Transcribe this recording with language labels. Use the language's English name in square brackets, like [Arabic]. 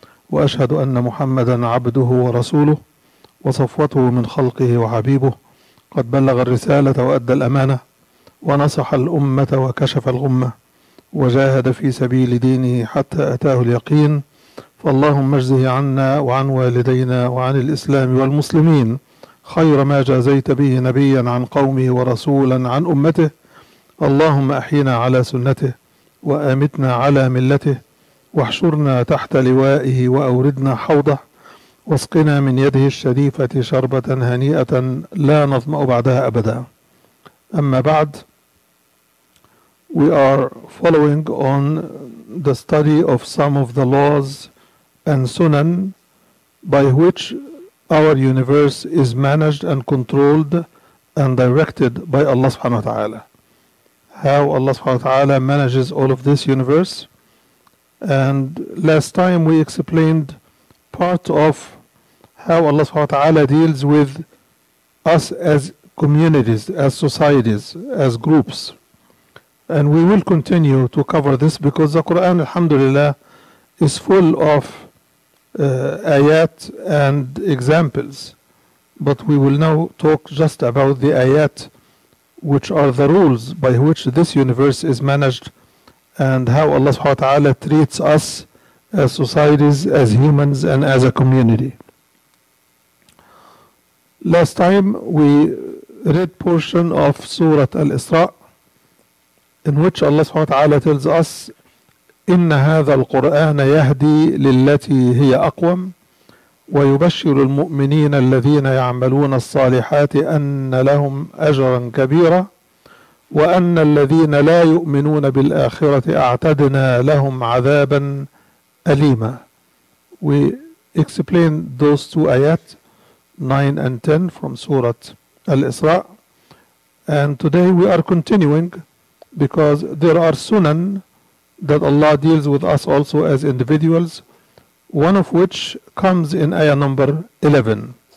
[Arabic] وأشهد أن محمدا عبده ورسوله وصفوته من خلقه وحبيبه قد بلغ الرسالة وأدى الأمانة ونصح الأمة وكشف الغمة وجاهد في سبيل دينه حتى أتاه اليقين فاللهم اجزه عنا وعن والدينا وعن الإسلام والمسلمين خير ما جازيت به نبيا عن قومه ورسولا عن أمته اللهم أحينا على سنته وأمتنا على ملته واحشرنا تحت لوائه وأوردنا حوضه واسقنا من يده الشريفة شربة هنيئة لا نظمأ بعدها أبدا. أما بعد, [English] we are following on the study of some of the laws and Sunan by which our universe is managed and controlled and directed by Allah subhanahu wa ta'ala. How Allah subhanahu wa ta'ala manages all of this universe. And last time we explained part of how Allah subhanahu wa ta'ala deals with us as communities, as societies, as groups. And we will continue to cover this because the Quran, alhamdulillah, is full of ayat and examples. But we will now talk just about the ayat, which are the rules by which this universe is managed and how Allah subhanahu wa ta'ala treats us as societies, as humans, and as a community. Last time we read portion of Surah Al-Isra, in which Allah subhanahu wa ta'ala tells us, [Arabic] إن هذا القرآن يهدي للتي هي أقوم ويبشر المؤمنين الذين يعملون الصالحات أن لهم أجرا كبيرا وأن الذين لا يؤمنون بالآخرة أعتدنا لهم عذابا أليما. [English] We explain those two ayat 9 and 10 from Surah Al-Isra, and today we are continuing because there are sunan that Allah deals with us also as individuals, one of which comes in ayah number 11.